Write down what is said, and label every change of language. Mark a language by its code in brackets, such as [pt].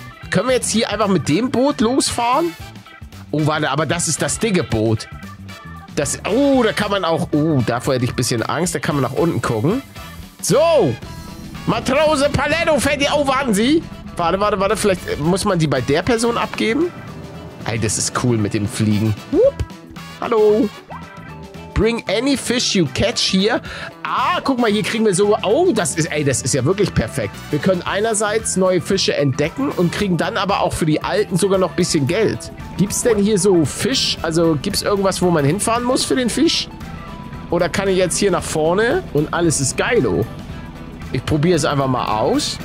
[de] Können wir jetzt hier einfach mit dem Boot losfahren? Oh, warte, aber das ist das dicke Boot. Das, oh, da kann man auch... Oh, davor hätte ich ein bisschen Angst. Da kann man nach unten gucken. So. Matrose Paletto fährt die... Oh, warten Sie. Warte, warte, warte. Vielleicht muss man die bei der Person abgeben. Ey, das ist cool mit dem Fliegen. Whoop. Hallo. [en] Bring any fish you catch here. [de] Ah, guck mal, hier kriegen wir so... Oh, das ist... Ey, das ist ja wirklich perfekt. Wir können einerseits neue Fische entdecken und kriegen dann aber auch für die alten sogar noch ein bisschen Geld. Gibt's denn hier so Fisch? Also, gibt's irgendwas, wo man hinfahren muss für den Fisch? Oder kann ich jetzt hier nach vorne und alles ist geilo? Ich probiere es einfach mal aus.